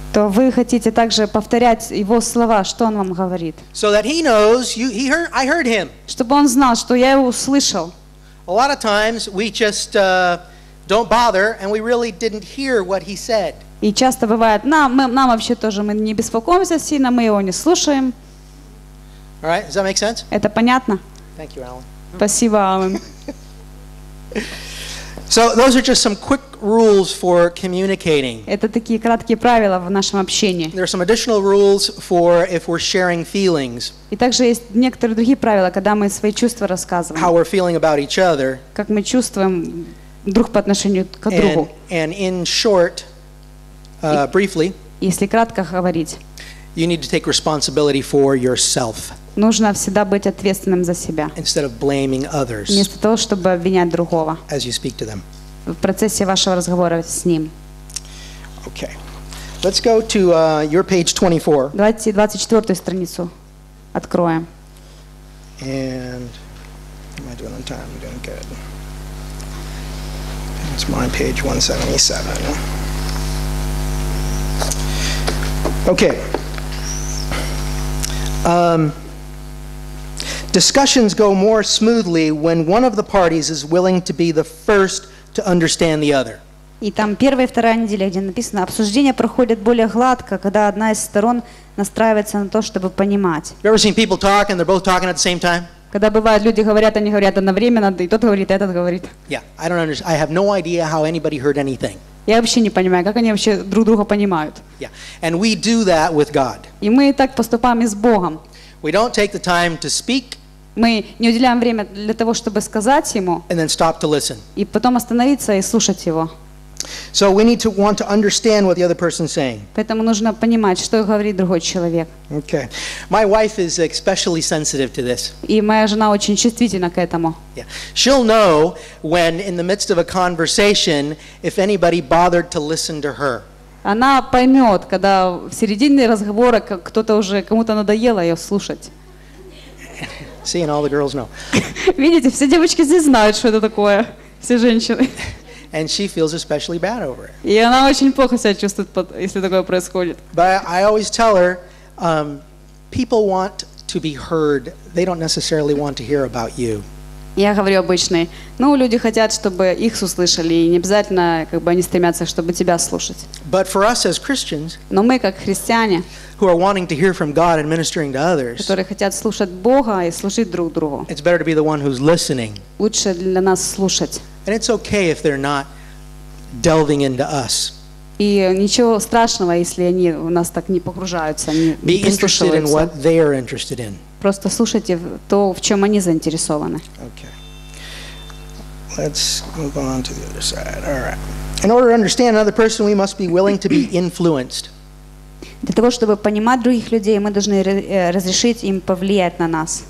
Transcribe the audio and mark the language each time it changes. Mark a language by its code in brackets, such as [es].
[ru] То вы хотите также повторять его слова, что он вам говорит. [en] So that he knows, I heard him. [ru] Чтобы он знал, что я его услышал. [en] A lot of times we just don't bother, and we really didn't hear what he said. [ru] И часто бывает, нам вообще тоже мы не беспокоимся сильно, мы его не слушаем. [en] All right, does that make sense? [ru] Это понятно? [en] Thank you, Alan. [ru] Спасибо, Алан. [en] So those are just some quick rules for communicating. [ru] Это такие краткие правила в нашем общении. [en] There are some additional rules for if we're sharing feelings. [ru] И также есть некоторые другие правила, когда мы свои чувства рассказываем. [en] How we're feeling about each other. [ru] Как мы чувствуем друг по отношению к другу. [en] And in short, briefly. [ru] Если кратко говорить. [en] You need to take responsibility for yourself. [ru] Нужно всегда быть ответственным за себя. [en] Instead of blaming others. [ru] Вместо того, чтобы обвинять другого. [en] As you speak to them. [ru] В процессе вашего разговора с ним. [en] Okay. Let's go to your page 24. [ru] Давайте 24-ю страницу откроем. [en] And am I doing on time? I'm doing good. It's my page 177. Okay. Discussions go more smoothly when one of the parties is willing to be the first to understand the other. [ru] И там первая и вторая неделя, где написано, обсуждения проходят более гладко, когда одна из сторон настраивается на то, чтобы понимать. [en] Have you ever seen people talk and they're both talking at the same time? [ru] Когда бывает, люди говорят, они говорят одновременно, и тот говорит, этот говорит. [en] Yeah, I don't understand. I have no idea how anybody heard anything. [ru] Я вообще не понимаю, как они вообще друг друга понимают. [en] Yeah. And we do that with God. [ru] И мы так поступаем и с Богом. [en] We don't take the time to speak. [ru] Мы не уделяем время для того, чтобы сказать ему. [en] And then stop to listen. [ru] И потом остановиться и слушать его. [en] So we need to want to understand what the other person is saying. [ru] Поэтому нужно понимать, что говорит другой человек. [en] Okay. My wife is especially sensitive to this. [ru] И моя жена очень чувствительна к этому. [en] Yeah. She'll know when in the midst of a conversation if anybody bothered to listen to her. [ru] Она поймет, когда в середине разговора кто-то уже кому-то надоело ее слушать. [en] See, and all the girls know. [ru] Видите, все девочки здесь знают, что это такое. Все женщины. [en] And she feels especially bad over it. [ru] И она очень плохо себя чувствует, если такое происходит. [en] But I always tell her, people want to be heard. They don't necessarily want to hear about you. [ru] Я говорю обычный. Ну, люди хотят, чтобы их услышали, и не обязательно, как бы, они стремятся, чтобы тебя слушать. [en] But for us as Christians, [ru] но мы как христиане, [en] who are wanting to hear from God and ministering to others, [ru] которые хотят слушать Бога и служить друг другу, [en] it's better to be the one who's listening. [ru] Лучше для нас слушать. [en] And it's okay if they're not delving into us. [ru] И ничего страшного, если они у нас так не погружаются, не [en] be interested in what they are interested in. [ru] Просто слушайте то, в чем они заинтересованы. [en] Okay. Let's move on to the other side. All right. In order to understand another person, we must be willing to be influenced. [ru] Для того, чтобы понимать других людей, мы должны разрешить им повлиять на нас.